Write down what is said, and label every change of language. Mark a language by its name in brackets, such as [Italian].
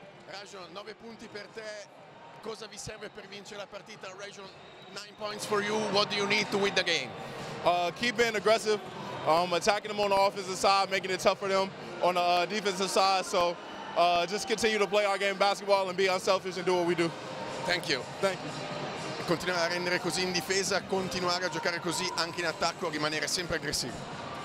[Italian] Rajon, 9 punti per te, cosa vi serve per vincere la partita? [English] Rajon, 9 points for you, what do you need to win the game? Keep being aggressive, attacking them on the offensive side, making it tough for them on the defensive side, so just continue to play our game basketball and be unselfish and do what we do. Thank you. Thank you. [Italian] Continuare a rendere così in difesa, continuare a giocare così anche in attacco, rimanere sempre aggressivi.